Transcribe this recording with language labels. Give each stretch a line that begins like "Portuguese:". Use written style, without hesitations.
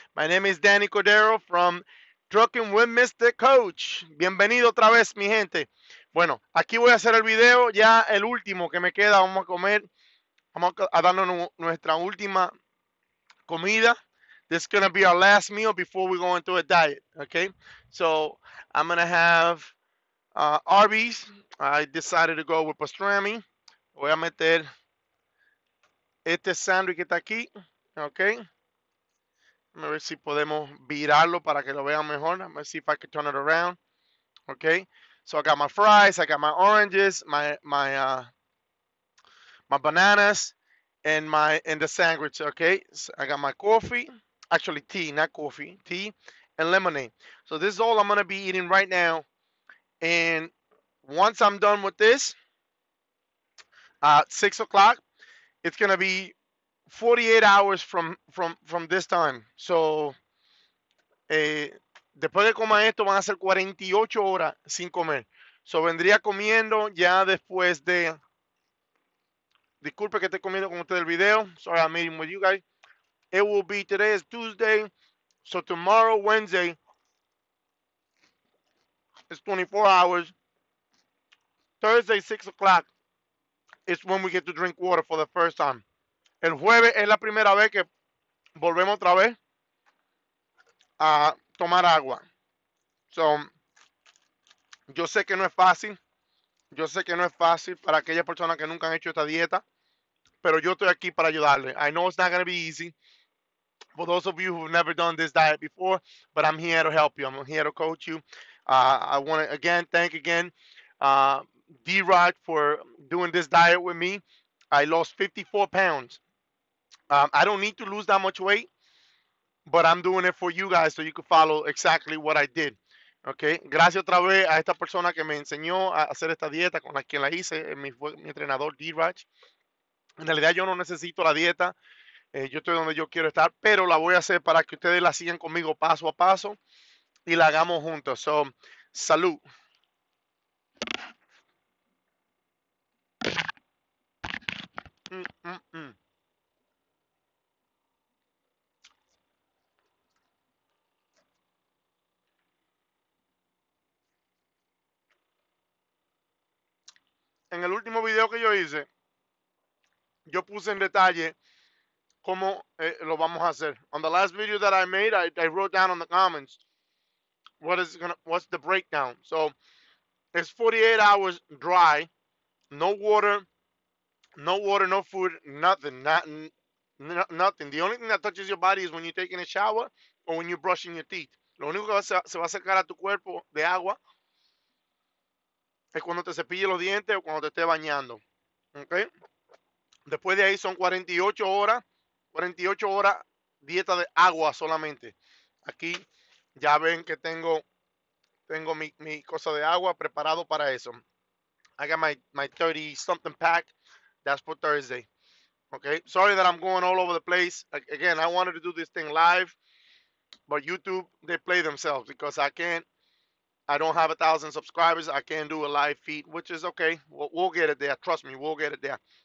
English: My name is Danny Cordero from Trucking with Mr.
Spanish: Coach. Bienvenido otra vez, mi gente. Bueno, aquí voy a hacer el video, ya el último que me queda, vamos a comer. Vamos a darnos nuestra última comida.
English: This is going to be our last meal before we go into a diet, okay? So, I'm going to have Arby's. I decided to go with pastrami.
Spanish: Voy a meter este sándwich que está aquí, okay? A ver si podemos virarlo para que lo vean mejor.
English: Let me see if I can turn it around, okay? So, I got my fries, I got my oranges, my bananas and the sandwich, okay? So I got my coffee, actually tea, not coffee, tea and lemonade. So this is all I'm gonna be eating right now. And once I'm done with this, at 6 o'clock, it's gonna be 48 hours from this time.
Spanish: So, después de comer esto, van a ser 48 horas sin comer. So vendría comiendo ya después de. Disculpe que esté comiendo con usted el video.
English: Sorry, I'm meeting with you guys. It will be today is Tuesday. So tomorrow, Wednesday, it's 24 hours. Thursday, 6 o'clock, is when we get to drink water for the first time.
Spanish: El jueves es la primera vez que volvemos otra vez a tomar agua. So, yo sé que no es fácil. Yo sé que no es fácil para aquellas personas que nunca han hecho esta dieta. Pero yo estoy aquí para ayudarle.
English: I know it's not going to be easy for those of you who've never done this diet before, but I'm here to help you. I'm here to coach you. I want to again thank again D-Rod for doing this diet with me. I lost 54 pounds. I don't need to lose that much weight, but I'm doing it for you guys so you can follow exactly what I did. Okay.
Spanish: Gracias otra vez a esta persona que me enseñó a hacer esta dieta con la quien la hice, mi entrenador D-Rod. En realidad yo no necesito la dieta, yo estoy donde yo quiero estar, pero la voy a hacer para que ustedes la sigan conmigo paso a paso y la hagamos juntos. So, salud. En el último video que yo hice, yo puse en detalle cómo lo vamos a hacer.
English: On the last video that I made, I wrote down on the comments what's the breakdown. So it's 48 hours dry, no water, no water, no food, nothing, not n n nothing. The only thing that touches your body is when you're taking a shower or when you're brushing your teeth.
Spanish: Lo único que se va a acercar a tu cuerpo de agua es cuando te cepilles los dientes o cuando te estés bañando, ¿okay? Después de ahí son 48 horas dieta de agua solamente. Aquí ya ven que tengo mi cosa de agua preparado para eso.
English: I got my 30 something pack. That's for Thursday. Okay, sorry that I'm going all over the place. Again, I wanted to do this thing live, but YouTube, they play themselves because I don't have 1,000 subscribers. I can't do a live feed, which is okay. We'll get it there. Trust me, we'll get it there.